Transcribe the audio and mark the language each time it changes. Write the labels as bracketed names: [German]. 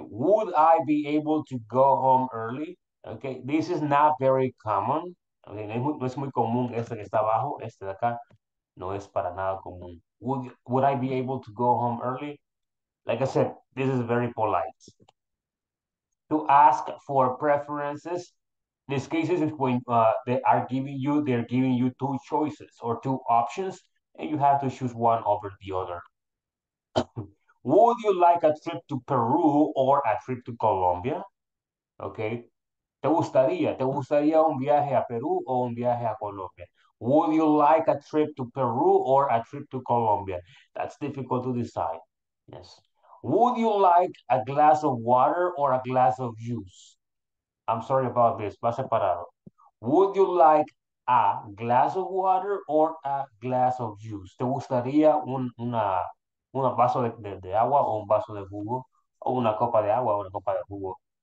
[English] Would I be able to go home early? Okay, this is not very common. [Spanish] Okay, no es muy común este que está abajo, este de acá. No es para nada común. [English] Would I be able to go home early? Like I said, this is very polite. To ask for preferences. This case is when they're giving you two choices or two options, and you have to choose one over the other. Would you like a trip to Peru or a trip to Colombia? Okay. [Spanish] Te gustaría un viaje a Perú o un viaje a Colombia? [English] Would you like a trip to Peru or a trip to Colombia? That's difficult to decide. Yes. Would you like a glass of water or a glass of juice? I'm sorry about this. [Spanish] Va separado. [English] Would you like a glass of water or a glass of juice? [Spanish] ¿Te gustaría un vaso de agua o un vaso de jugo? ¿O una copa de agua o una copa de jugo?